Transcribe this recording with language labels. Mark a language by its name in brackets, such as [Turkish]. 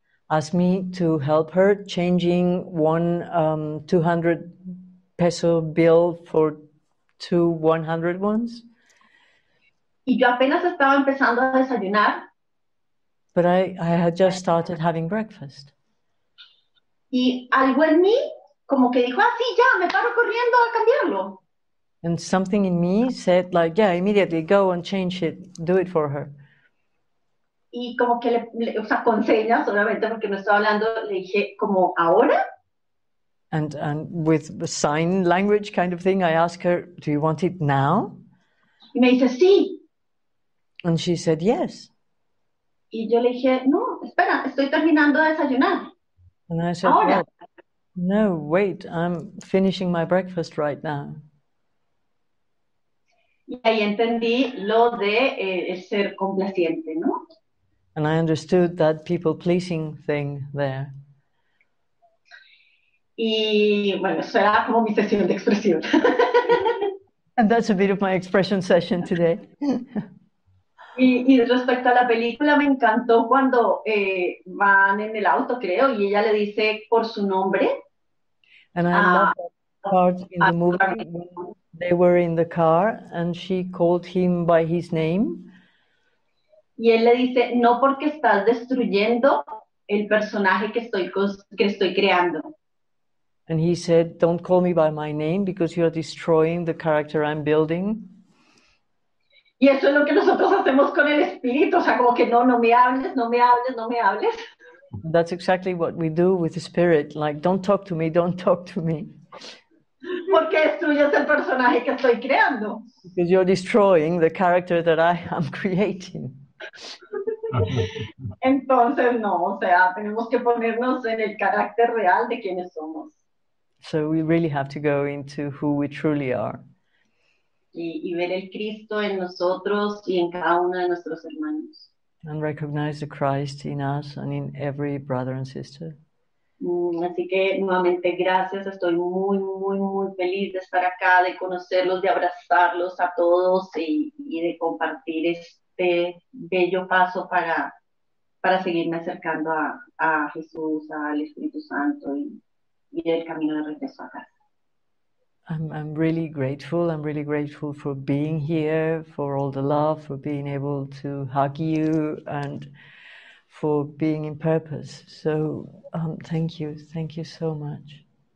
[English] Asked me to help her changing one 200 peso bill for two 100 ones. [Spanish] Y yo apenas estaba empezando a desayunar. [English] But I had just started having breakfast. [Spanish] Y algo en mí como que dijo, ah, sí, ya, me paro corriendo a cambiarlo. [English] And something in me said, like, yeah, immediately, go and change it, do it for her. [Spanish] Y como que, o sea, con señas, solamente porque no estaba hablando, le dije, ¿como ahora? [English] And with sign language kind of thing, I asked her, do you want it now? [Spanish] Y me dice, sí. [English] And she said, yes. [Spanish] Y yo le dije, no, espera, estoy terminando de desayunar. [English] And I said, [Spanish] ahora. [English] Well, no, wait, I'm finishing my breakfast right now. [Spanish] Y ahí entendí lo de el ser complaciente, ¿no? [English] And I understood that people-pleasing thing there. [Spanish] Y bueno, eso era como mi sesión de expresión. [English] And that's a bit of my expression session today. [Spanish] Y respecto a la película, me encantó cuando van en el auto, creo, y ella le dice por su nombre. [English] And I love that part in the movie. They were in the car, and she called him by his name. [Spanish] Y él le dice, no porque estás destruyendo el personaje que estoy creando. [English] And he said, don't call me by my name because you're destroying the character I'm building. [Spanish] Y eso es lo que nosotros hacemos con el espíritu, o sea, como que no me hables, no me hables, no me hables. [English] That's exactly what we do with the spirit, like, don't talk to me, don't talk to me. [Spanish] Porque destruyes el personaje que estoy creando. [English] Because you're destroying the character that I am creating. [Spanish] Entonces no, o sea, tenemos que ponernos en el carácter real de quienes somos. [English] So we really have to go into who we truly are. [Spanish] Y ver el Cristo en nosotros y en cada uno de nuestros hermanos. [English] And recognize the Christ in us and in every brother and sister. [Spanish] Así que nuevamente gracias, estoy muy, muy, muy feliz de estar acá, de conocerlos, de abrazarlos a todos y de compartir este bello paso para seguirme acercando a Jesús, al Espíritu Santo y el camino de regreso a casa. [English] I'm really grateful. I'm really grateful for being here, for all the love, for being able to hug you and for being in purpose. So thank you. Thank you so much.